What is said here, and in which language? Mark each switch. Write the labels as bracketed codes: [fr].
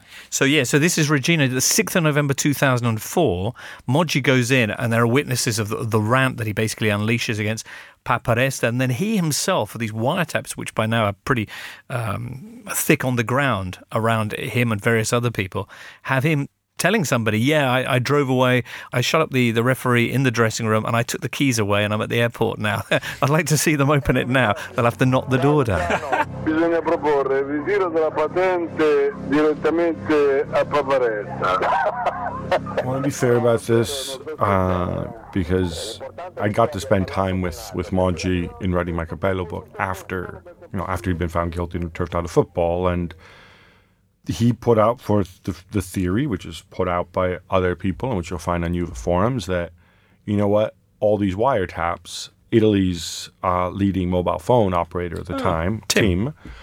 [en] So this is Regina, the 6th of November 2004, Moggi goes in and there are witnesses of the rant that he basically unleashes against Paparesta, and then he himself, for these wiretaps, which by now are pretty thick on the ground around him and various other people, have him telling somebody, I drove away, I shut up the referee in the dressing room and I took the keys away and I'm at the airport now. I'd like to see them open it now. They'll have to knock the door down. [it] Bisogna proporre il ritiro della patente direttamente a Paparesta. [en] I want to be fair about this because I got to spend time with Moggi in writing my Capello book after he'd been found guilty and turfed out of football. And he put out forth the theory, which is put out by other people and which you'll find on Juve forums, that, you know what, all these wiretaps, Italy's leading mobile phone operator at the time, Tim.